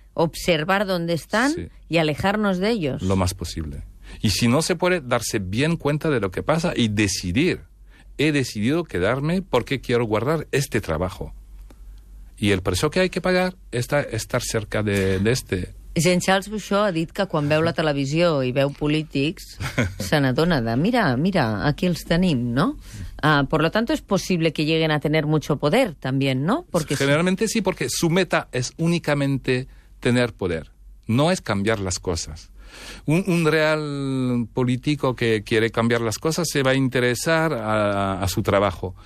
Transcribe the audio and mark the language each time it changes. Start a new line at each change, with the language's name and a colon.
Spanish: Observar dónde están, sí. Y alejarnos de ellos. Lo más posible. Y si no se puede, darse bien cuenta de lo que pasa y decidir. He decidido quedarme porque quiero guardar este trabajo. Y el precio que hay que pagar es estar cerca de este.
Catalan: Jean-Charles Bouchot ha dit que quan veu la televisió i veu polítics, se n'adona de, mira, aquí els tenim, ¿no?
Spanish: Por lo tanto, es posible que lleguen a tener mucho poder también, ¿no? Porque generalmente sí, porque su meta es únicamente tener poder, no es cambiar las cosas. Un real político que quiere cambiar las cosas se va a interesar a su trabajo.